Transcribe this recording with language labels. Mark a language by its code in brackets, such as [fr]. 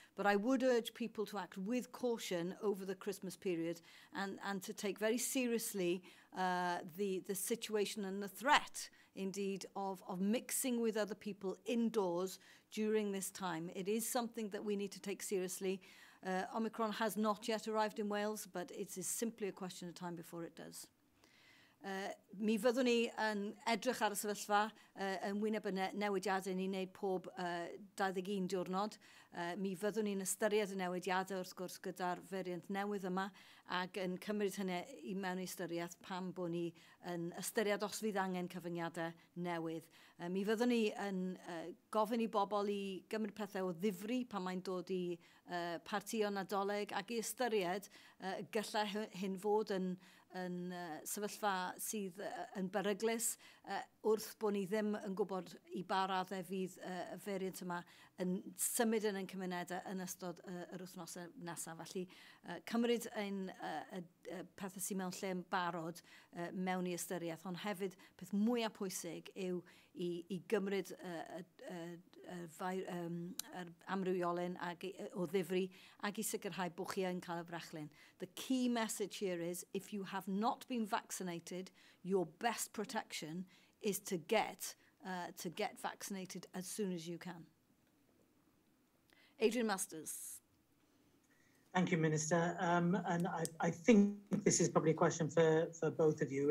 [en] But I would urge people to act with caution over the Christmas period and to take very seriously the situation and the threat, indeed, of mixing with other people indoors during this time. It is something that we need to take seriously. Omicron has not yet arrived in Wales, but it is simply a question of time before it does. [cy] Mi fyddwn ni yn edrych ar y sefyllfa yn wyneb y newidiadau ni'n gwneud pob 21 diwrnod. Mi fyddwn ni'n ystyried y newidiadau wrth gwrs gyda'r fariant newydd yma ac yn cymryd hynny i mewn i ystyriaeth pam bod ni yn ystyried os fydd angen cyfyngiadau newydd. Mi fyddwn ni yn gofyn i bobl i gymryd pethau o ddifri pan mae'n dod i partïon Nadolig ac i ystyried gallai hyn fod yn sefyllfa sydd yn beryglus wrth bod ni ddim yn gwybod i ba raddau fydd y fariant yma yn symud yn ein cymunedau yn ystod yr wythnosau nesaf. Felly cymryd ein pethau sy'n mewn lle'n barod mewn i ystyriaeth, ond hefyd peth mwyaf pwysig yw i gymryd yr amrywiolyn ag, o ddifri ac i sicrhau bod chi yn cael y brechlyn. [en] The key message here is, if you have not been vaccinated, your best protection is to get vaccinated as soon as you can. Adrian Masters. Thank you, Minister. And I think this is probably a question for both of you.